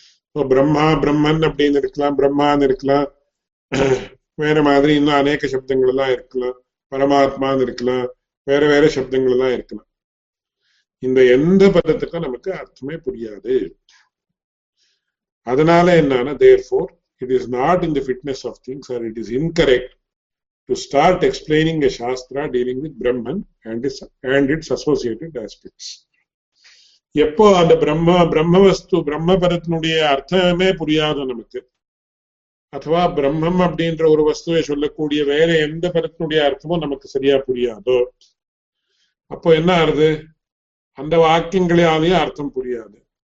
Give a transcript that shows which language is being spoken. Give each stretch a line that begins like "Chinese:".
Tamil: So, Brahma, Brahman, அப்படின்னு இருக்கலாம் பிரம்மான்னு இருக்கலாம் வேற மாதிரி இன்னும் அநேக சப்தங்கள் எல்லாம் இருக்கலாம் பரமாத்மான்னு இருக்கலாம் வேற வேற சப்தங்கள் எல்லாம் இருக்கலாம். இந்த எந்த பதத்துக்கும் நமக்கு அர்த்தமே புரியாது. அதனால என்னன்னா
English: therefore it is not in the fitness of things or it is incorrect to start explaining a shastra dealing with Brahman and its associated aspects.
Tamil: எப்போ அந்த பிரம்ம பிரம்ம வஸ்து பிரம்ம பதத்தினுடைய அர்த்தமே புரியாது நமக்கு அதுவா பிரம்மம் அப்படின்ற ஒரு வஸ்துவை சொல்லக்கூடிய வேற எந்த பதத்தினுடைய அர்த்தமும் நமக்கு சரியா புரியாதோ அப்போ என்ன ஆறுது அந்த வாக்கியங்களாலேயே அர்த்தம் புரியாது.